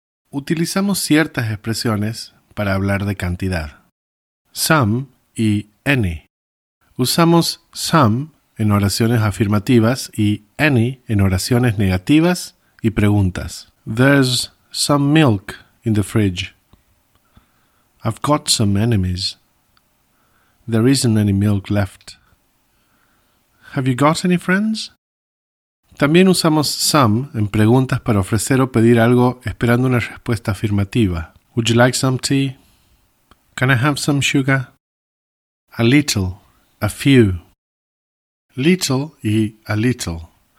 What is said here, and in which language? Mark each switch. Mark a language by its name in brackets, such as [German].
[Spanish] Utilizamos ciertas expresiones para hablar de cantidad. Some y any. Usamos some en oraciones afirmativas y any en oraciones negativas y preguntas. [English] There's some milk in the fridge. I've got some enemies. There isn't any milk left. Have you got any friends? [Spanish] También usamos some en preguntas para ofrecer o pedir algo esperando una respuesta afirmativa. [English] Would you like some tea? Can I have some sugar? A little, a few. Little y a little.